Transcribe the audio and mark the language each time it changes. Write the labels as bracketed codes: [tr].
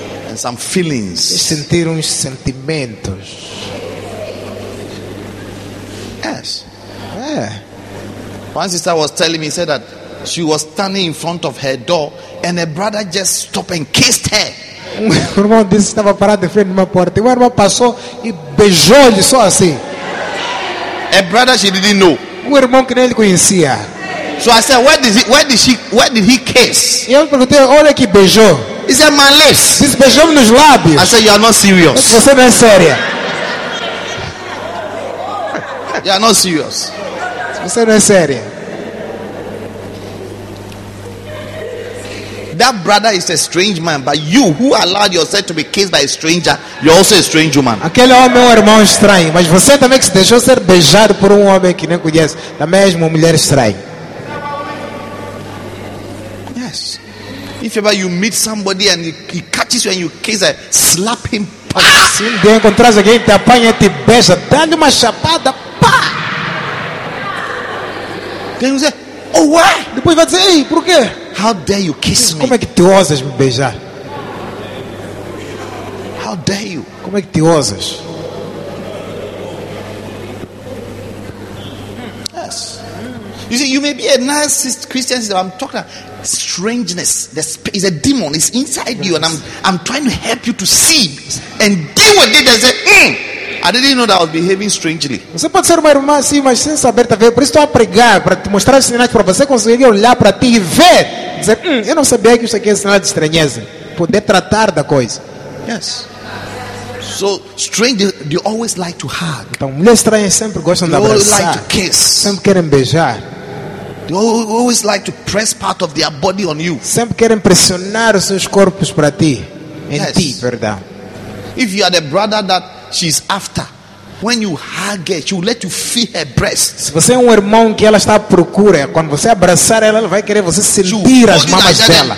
[en] And some feelings. [pt] Queres sentir uns sentimentos. [en] Yes. Yeah. One sister was telling me, said that she was standing in front of her door and a brother just stopped and kissed her. [pt] O irmão disse que estava parado em frente de uma porta. O irmão passou e beijou-lhe só assim. [en] A brother she didn't know. [pt] O irmão que nem ele conhecia. [en] So I said, where did he kiss? [pt] E eu perguntei, olha que beijou. [en] He said, my lips. [pt] Disse, beijou-me nos lábios. [en] I said, you are not serious. [pt] Você não é séria. [en] You are not serious. [pt] Você não é séria. [en] That brother is a strange man, but you who allowed yourself to be kissed by a stranger, you're also a strange woman. [pt] Aquele homem é um irmão estranho, mas você também que se deixou ser beijado por um homem que nem conhece, também é uma mulher estranha. [en] Yes. If ever you meet somebody and he catches you and you kiss her, slap him. Ah! [pt] Se ele encontrar alguém, te apanha, te beija, dá-lhe uma chapada. Pá! [en] Then you say, oh, why? [pt] Depois vai dizer, ei, por quê? [en] How dare you kiss me? [pt] Como é que te ousas me beijar? [en] How dare you? [pt] Como é que te ousas? [en] Yes. You see, you may be a narcissist Christian, but I'm talking about strangeness. The spirit is a demon. It's inside you, and I'm trying to help you to see and deal with it. And say, I didn't know that I was behaving strangely. [pt] Você pode ser uma irmã assim, mas sem saber, tá vendo? Por isso estou a pregar para te mostrar os sinais para você conseguir olhar para ti e ver. Dizer, eu não sabia que isso aqui é sinal de estranheza. Poder tratar da coisa. [en] Yes. So strange, they always like to hug. [pt] Então, mulheres estranhas sempre gostam de abraçar. [en] They always like to kiss. [pt] Sempre querem beijar. [en] They always like to press part of their body on you. [pt] Sempre querem pressionar os seus corpos para ti. Em yes. Ti, perdão. [en] If you are the brother that she's after, when you hug her, she will let you feel her breasts. [pt] Se você é um irmão que ela está à procura, quando você abraçar ela, ela vai querer você sentir as mamas dela.